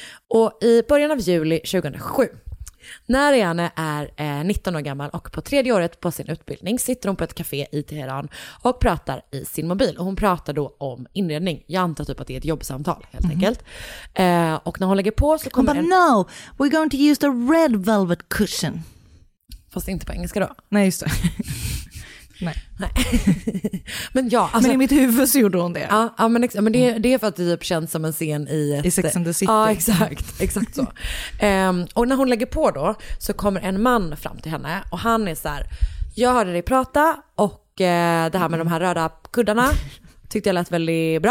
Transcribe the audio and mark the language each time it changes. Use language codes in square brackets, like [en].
[sv] Och i början av juli 2007, när Ariane är 19 år gammal och på tredje året på sin utbildning, sitter hon på ett café i Teheran och pratar i sin mobil. Och hon pratar då om inredning. Jag antar typ att det är ett jobbsamtal, helt enkelt. Och när hon lägger på så kommer... [en] But no, we're going to use the red velvet cushion. [sv] Fast inte på engelska då. Nej, just det. Nej. Men ja, alltså, men i mitt huvud så gjorde hon det. Ja, ja men, exa, men det är för att det typ känns som en scen i... I Sex and the City. Ja, exakt. Exakt så. Och när hon lägger på då så kommer en man fram till henne. Och han är så här, jag hörde dig prata och det här med de här röda kuddarna tyckte jag lät väldigt bra.